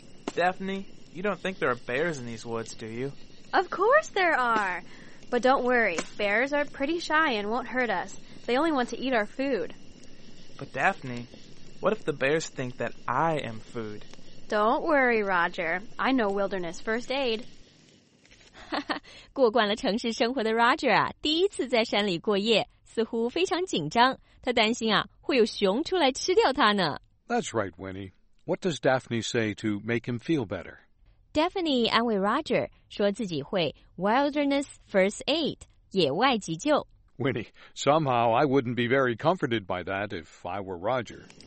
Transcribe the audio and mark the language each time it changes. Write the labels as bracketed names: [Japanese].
[English] Stephanie, you don't think there are bears in these woods, do you? Of course there are! But don't worry, bears are pretty shy and won't hurt us. They only want to eat our food. But Daphne, what if the bears think that I am food? Don't worry, Roger. I know wilderness first aid. [Chinese] 过惯了城市生活的 Roger 啊，第一次在山里过夜，似乎非常紧张。他担心啊，会有熊出来吃掉他呢。 [English] That's right, Winnie. What does Daphne say to make him feel better? [Chinese] Daphne 安慰 Roger, 说自己会 Wilderness First Aid, 野外急救。 [English] Winnie, somehow I wouldn't be very comforted by that if I were Roger.